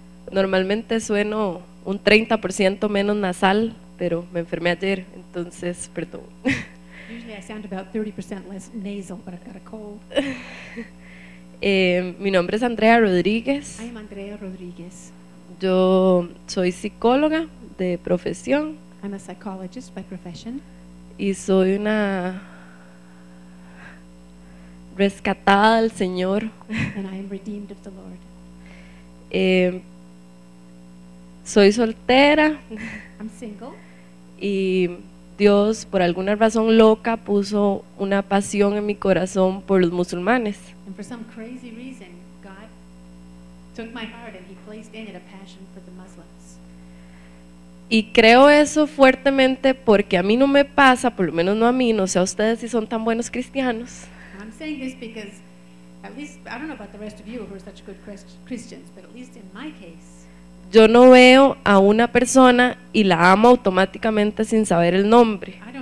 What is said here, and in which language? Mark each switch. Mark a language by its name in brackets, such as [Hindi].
[Spanish] Normalmente sueno un 30% menos nasal, pero me enfermé ayer, entonces, perdón. [English] Usually I sound about 30% less nasal, but I've got a cold. [Spanish] Mi nombre es Andrea Rodríguez. [English] I am Andrea Rodríguez. [Spanish] Yo soy psicóloga de profesión. [English] I'm a psychologist by profession. [Spanish] Y soy una rescatada del Señor. [English] And I am redeemed of the Lord. [Spanish] Soy soltera. [English] I'm single. [Spanish] Y Dios, por alguna razón loca, puso una pasión en mi corazón por los musulmanes. [English] And for some crazy reason, God took my heart and he placed in it a passion for the Muslims. [Spanish] Y creo eso fuertemente porque a mí no me pasa, por lo menos no a mí, no sé a ustedes si son tan buenos cristianos. [English] I'm saying this because at least I don't know about the rest of you who are such good Christians, but at least in my case, [Spanish] yo no veo a una persona y la amo automáticamente sin saber el nombre.